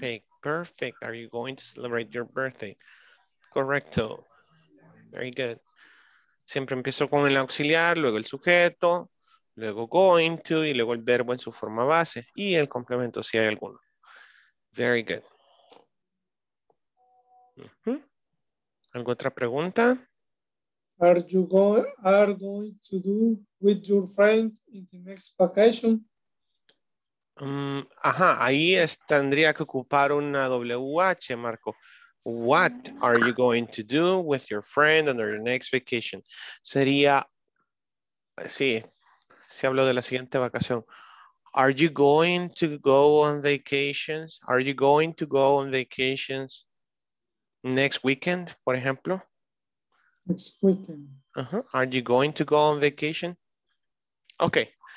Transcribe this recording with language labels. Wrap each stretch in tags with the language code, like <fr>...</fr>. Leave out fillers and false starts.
<en>Perfect, perfect, are you going to celebrate your birthday, correcto, very good.</en> <es>Siempre empiezo con el auxiliar, luego el sujeto, luego going to y luego el verbo en su forma base y el complemento si hay alguno.</es> <en>Very good.</en> <es>¿Algo otra pregunta?</es> <en>Are you going to do with your friend in the next vacation?</en> <es>Ajá, ahí tendría que ocupar una WH, Marco.</es> <en>What are you going to do with your friend on your next vacation?</en> <es>Sería, sí, se habló de la siguiente vacación.</es> <en>Are you going to go on vacations? Are you going to go on vacations next weekend,</en> <es>por ejemplo?</es> <en>Next weekend. Uh-huh. Are you going to go on vacation? Okay.</en>